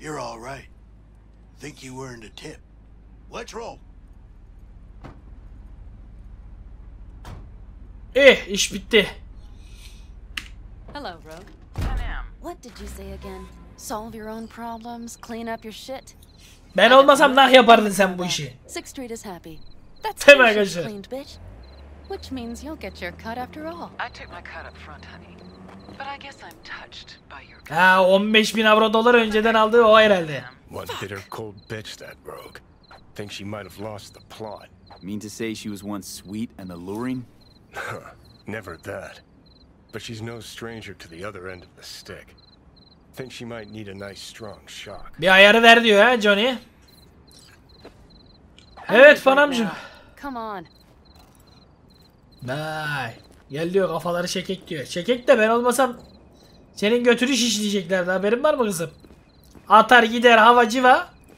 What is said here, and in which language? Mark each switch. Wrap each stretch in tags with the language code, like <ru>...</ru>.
<en>You're all right. Think you earned a tip. Let's roll.</en> <tr>Eh, iş bitti.</tr> <en>Hello, Rogue. Pan Am. What did you say again? Solve your own problems, clean up your shit.</en> <tr>Ben olmasam nah yapardın sen bu işi.</tr> <en>Sixth Street is happy. That's the shit cleaned, bitch. Which means you'll get your cut after all. I took my cut up front, honey. But I guess I'm touched by your.</en> <tr>Ha, 15.000 avro dolar önceden aldı o herhalde.</tr> <en>One bitter cold bitch that Rogue. Think she might have lost the plot. Mean to say she was once sweet and alluring? Never that. But she's no stranger to the other end of the stick. Think she might need a nice strong shock.</en> <tr>Bir ayarı ver diyor ha Johnny. Evet fanamcım.</tr> <en>Come on.</en> <tr>Vay. Gel diyor, kafaları çekek diyor. Çekek de ben olmasam senin götürü şişleyeceklerdi. Haberin var mı kızım? Atar gider hava civa.</tr>